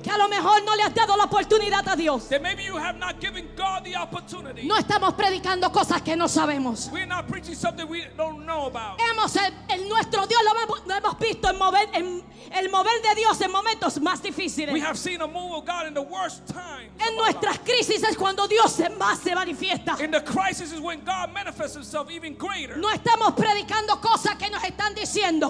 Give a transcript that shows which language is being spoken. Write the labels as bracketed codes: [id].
[es] Que a lo mejor no le has dado la oportunidad a Dios. [en] That maybe you have not given God the opportunity. [es] No estamos predicando cosas que no sabemos. [en] We're not preaching something we don't know about. [es] Hemos el nuestro Dios lo hemos visto en mover en el mover de Dios en momentos más difíciles. [en] We have seen a move of God in the worst times. [es] En nuestras crisis es cuando Dios más se manifiesta. [en] In the crisis is when God manifests himself even greater. [es] No estamos predicando cosas que nos están diciendo.